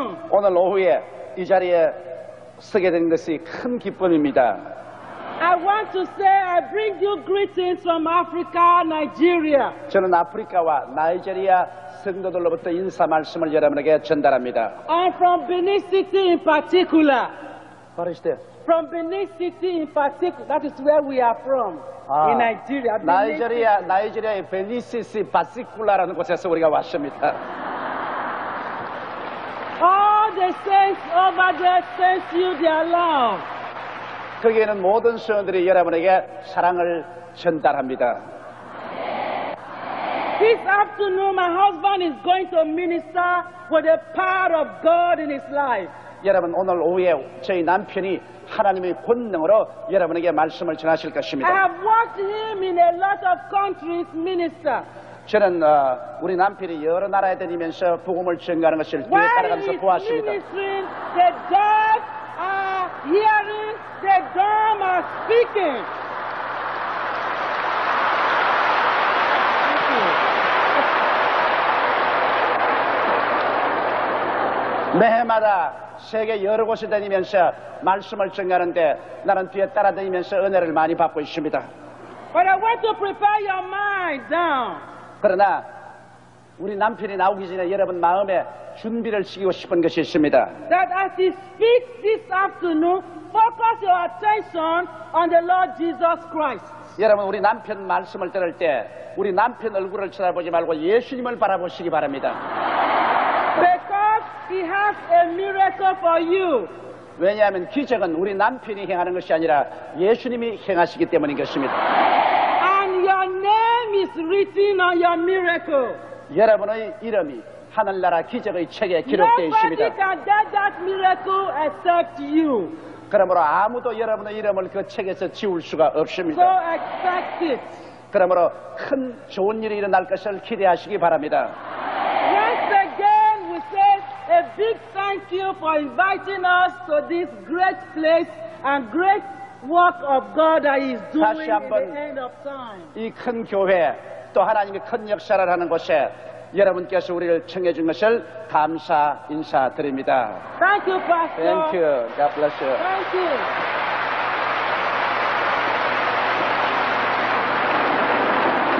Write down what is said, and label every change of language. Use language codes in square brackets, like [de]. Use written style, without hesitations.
[ko] 오늘 오후에 이 자리에 서게 된 것이 큰 기쁨입니다. [en] I want to say I bring you greetings from Africa, Nigeria. [ko] 저는 아프리카와 나이지리아 성도들로부터 인사 말씀을 여러분에게 전달합니다. [en] I'm from Benin City in particular. [ko] 어르신들. [en] From Benin City in particular, that is where we are from. [ko] 아, [en] in Nigeria. [ko] 나이지리아, 나이지리아의 Benin City [en] in particular라는 [ko] 곳에서 우리가 왔습니다. [en] The saints over there send you their love. [ko] 거기에는 모든 성도들이 여러분에게 사랑을 전달합니다. [en] This afternoon, my husband is going to minister with the power of God in his life. [ko] 여러분 오늘 오후에 저희 남편이 하나님의 권능으로 여러분에게 말씀을 전하실 것입니다. [en] I have watched him in a lot of countries minister. [ko] 저는 우리 남편이 여러 나라에 다니면서 복음을 전하는 것을 [en] While [ko] 따라가면서 보았습니다. [en] Ministering, the deaf are hearing, the dumb are speaking. Thank you. [ko] 매해마다 세계 여러 곳을 다니면서 말씀을 전하는데 나는 뒤에 따라다니면서 은혜를 많이 받고 있습니다. [en] But I want to prepare your mind now. [ko] 그러나 우리 남편이 나오기 전에 여러분 마음에 준비를 시키고 싶은 것이 있습니다. [en] That as he speaks this afternoon, focus your attention on the Lord Jesus Christ. [ko] 여러분 우리 남편 말씀을 들을 때 우리 남편 얼굴을 쳐다보지 말고 예수님을 바라보시기 바랍니다. [en] Because he has a miracle for you. [ko] 왜냐하면 기적은 우리 남편이 행하는 것이 아니라 예수님이 행하시기 때문인 것입니다. [en] Your name is written on your miracle. [ko] 여러분의 이름이 하늘나라 기적의 책에 기록되어 있습니다. [en] Nobody can get that miracle except you. [ko] 그러므로 아무도 여러분의 이름을 그 책에서 지울 수가 없습니다. [en] So expect it. [ko] 그러므로 큰 좋은 일이 일어날 것을 기대하시기 바랍니다. [en] Once again, we say a big thank you for inviting us to this great place and great. Work of God that is doing in the end of time. [ko] 다시 한번 이 큰 교회 또 하나님이 큰 역사를 하는 곳에 여러분께서 우리를 청해 준 것을 감사 인사 드립니다. [en] Thank you, Pastor. Thank you. God bless you. Thank you.